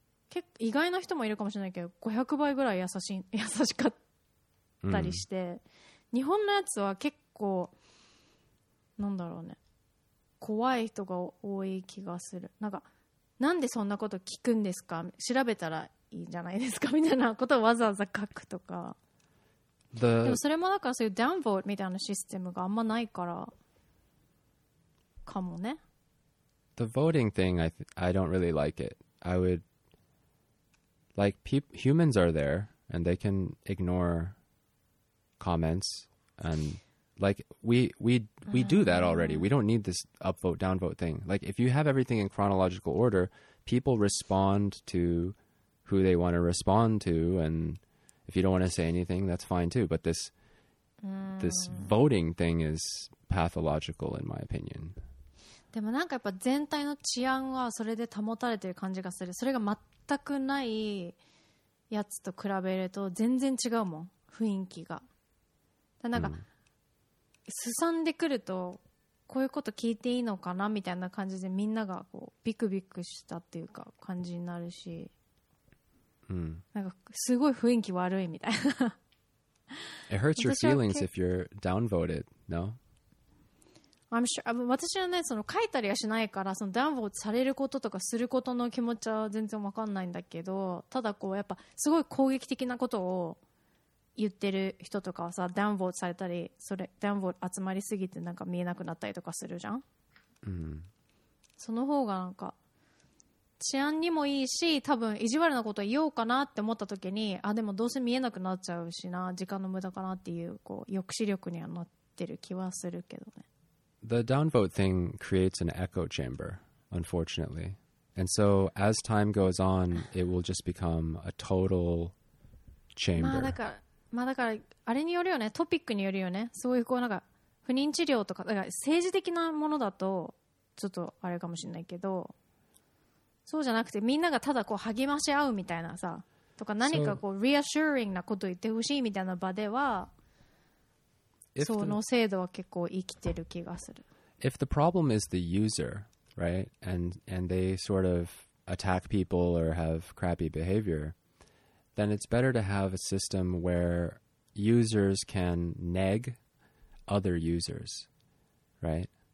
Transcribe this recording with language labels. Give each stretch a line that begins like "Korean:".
Japanese: 結構意外な人もいるかもしれないけど500倍ぐらい優しかったりして、日本のやつは結構なんだろうね、怖い人が多い気がする。なんかなんでそんなこと聞くんですか、調べたらいいじゃないですかみたいなことをわざわざ書くとか。 The、でもそれもだからそういうダウンボードみたいなシステムがあんまないからかもね。
English: The voting thing, I don't really like it. I would, like, humans are there and they can ignore comments and... Like, we do that already. We don't need this upvote, downvote thing. Like, if you have everything in chronological order, people respond to who they want to respond to. And if you don't want to say anything, that's fine too. But this, this voting thing is pathological, in my opinion.
Japanese: でもなんかやっぱ全体の治安はそれで保たれてる感じがする。それが全くないやつと比べると全然違うもん、雰囲気が。なんか、すさんでくるとこういうこと聞いていいのかなみたいな感じでみんながこうビクビクしたっていうか感じになるし、なんかすごい雰囲気悪いみたいな。
English: It hurts your feelings if you're downvoted, no?
Japanese: I'm sure, 私はねその書いたりはしないから、そのダウンボードされることとかすることの気持ちは全然わかんないんだけど、ただこうやっぱすごい攻撃的なことを言ってる人とかはさ、ダウンボードされたり、それダウンボード集まりすぎてなんか見えなくなったりとかするじゃん。その方がなんか治安にもいいし、多分意地悪なこと言おうかなって思った時に、あでもどうせ見えなくなっちゃうしな、時間の無駄かなっていう、こう抑止力にはなってる気はするけどね。
English: The downvote thing creates an echo chamber, unfortunately. And so as time goes on, it will just become a total chamber.
Japanese: まあだからあれによるよね、トピックによるよね。そういうこうなんか不妊治療とか、だから政治的なものだとちょっとあれかもしれないけど、そうじゃなくてみんながただこう励まし合うみたいなさ、とか何かこう reassuring なこと言ってほしいみたいな場では、その制度は結構生きてる気がする。
English: If the problem is the user, right, and they sort of attack people or have crappy behavior. Then it's better to have a system where users can neg other users, right?